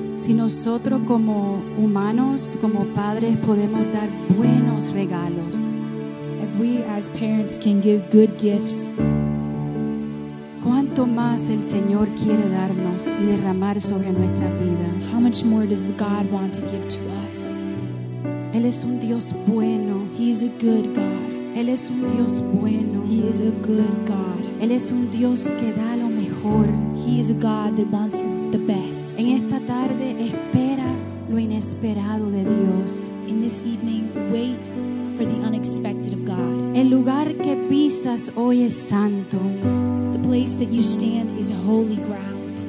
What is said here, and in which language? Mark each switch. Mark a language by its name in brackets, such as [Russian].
[Spanish] Nosotros como humanos, como padres, podemos dar buenos regalos. [English] If we as parents can give good gifts, [Spanish] ¿cuánto más el Señor quiere darnos y derramar sobre nuestra vida? [English] How much more does God want to give to us? [Spanish] Él es un Dios bueno. [English] He is a good God. [Spanish] Él es un Dios bueno. [English] He is a good God. [Spanish] Él es un Dios que da lo mejor. [English] He is a God that wants the best. [Spanish] En esta tarde espera lo inesperado de Dios. [English] In this evening, wait for the unexpected of God. [Spanish] El lugar que pisas hoy es santo. [English] The place that you stand is holy ground.